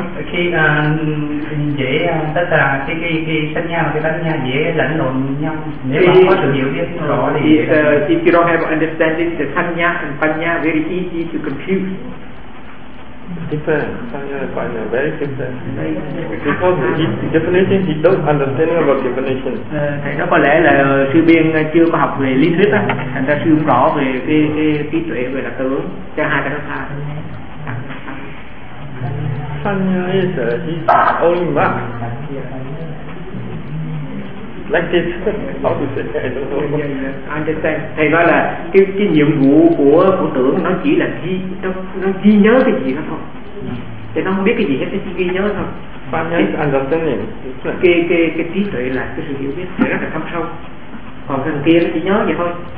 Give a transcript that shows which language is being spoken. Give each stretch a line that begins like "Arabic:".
Vietnamese: Khi dễ tất cả cái sân nhau cái tất nhau dễ lẫn lộn nhau, nếu mà có sự hiểu biết rõ thì
English: if you don't have understanding the sân nhau and phân nhau very easy to confuse. Different, sân nhau phân nhau very different. Because definition he don't understanding about definition.
Vietnamese: Thầy nói có lẽ là sư Biên chưa có học về lý thuyết á, thành ra sư không rõ về cái trí tuệ về đặc tướng cho hai cái đó xa.
English: Sanya is only mark. Like this, how to say that? I don't know. Yeah, understand.
Vietnamese: Thầy nói là cái nhiệm vụ của tưởng nó chỉ là nó ghi nhớ cái gì đó thôi. Thì nó không biết cái gì hết, nó chỉ ghi nhớ thôi.
English: Sanya is understanding.
Vietnamese: Cái trí tuệ là cái sự hiểu biết rất là thâm sâu. Còn cái kia nó chỉ nhớ vậy thôi.